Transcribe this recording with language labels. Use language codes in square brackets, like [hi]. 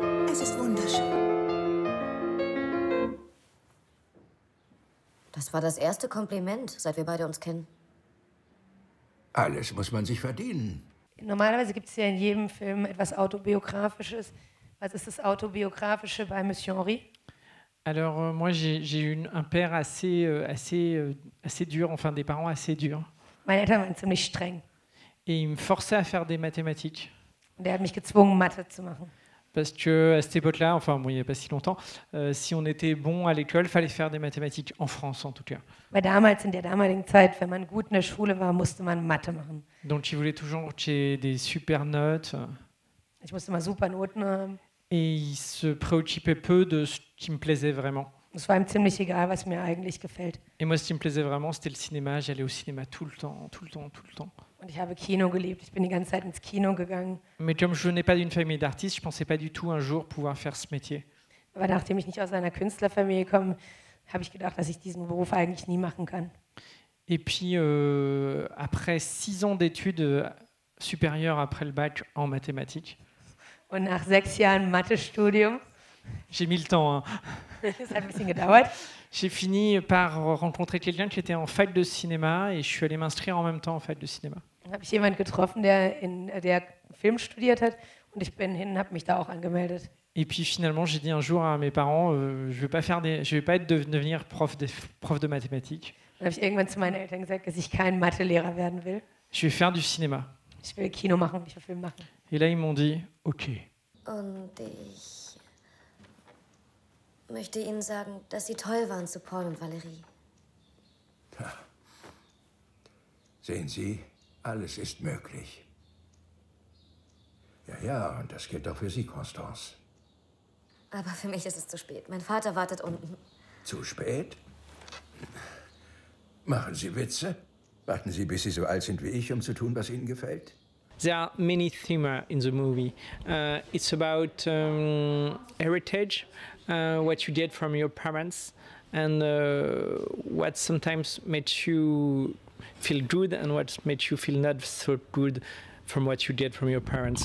[de] Es ist wunderschön. Das war das erste Kompliment, seit wir beide uns kennen. Alles muss man sich verdienen. Normalerweise gibt es ja in jedem Film etwas Autobiografisches. Was ist das Autobiografische bei Monsieur Henri? [fr] Alors moi j'ai eu un père assez dur, enfin des parents assez durs. [de] Meine Eltern waren ziemlich streng. [fr] Et il me forçait à faire des mathématiques. [de] Und er hat mich gezwungen, Mathe zu machen. [fr] Parce que à cette époque-là, enfin bon, il n'y a pas si longtemps, si on était bon à l'école, fallait faire des mathématiques en France en tout cas. [de] Weil damals, in der damaligen Zeit, wenn man gut in der Schule war, musste man Mathe machen. [fr] Donc il voulait toujours que j'ai des super notes. [de] Ich musste immer super Noten haben. [fr] Et il se préoccupait peu de ce qui me plaisait vraiment. [de] Es war ihm ziemlich egal, was mir eigentlich gefällt. [fr] Et moi, ce qui me plaisait vraiment, c'était le cinéma. J'allais au cinéma tout le temps, tout le temps, tout le temps. [de] Und ich habe Kino geliebt. Ich bin die ganze Zeit ins Kino gegangen. [fr] Mais comme je n'ai pas d'une famille d'artistes, je pensais pas du tout un jour pouvoir faire ce métier. [de] Aber nachdem ich nicht aus einer Künstlerfamilie komme, habe ich gedacht, dass ich diesen Beruf eigentlich nie machen kann. [fr] Et puis après 6 ans d'études supérieures après le bac en mathématiques. [de] Und nach 6 Jahren Mathestudium. [fr] J'ai mis le temps. Hein. Ça a un peu [de] gedauert. [fr] J'ai fini par rencontrer quelqu'un qui était en fac de cinéma et je suis allé m'inscrire en même temps en fac de cinéma. [de] Habe ich jemanden getroffen, der Film studiert hat, und ich bin hin, habe mich da auch angemeldet. [fr] Et puis finalement, j'ai dit un jour à mes parents, je vais pas devenir prof de mathématiques. [de] Dann habe ich irgendwann zu meinen Eltern gesagt, dass ich kein Mathelehrer werden will. [fr] Je vais faire du cinéma. [de] Ich will Kino machen, ich will Film machen. [fr] Et là, ils m'ont dit, OK. [de] Und ich möchte Ihnen sagen, dass Sie toll waren zu Paul und Valerie. Ja. Sehen Sie, alles ist möglich. Ja, ja, und das gilt auch für Sie, Constance. Aber für mich ist es zu spät. Mein Vater wartet unten. Zu spät? Machen Sie Witze? Warten Sie, bis Sie so alt sind wie ich, um zu tun, was Ihnen gefällt? [en] There are many themes in the movie. It's about heritage, what you get from your parents, and what sometimes made you feel good and what made you feel not so good from what you get from your parents.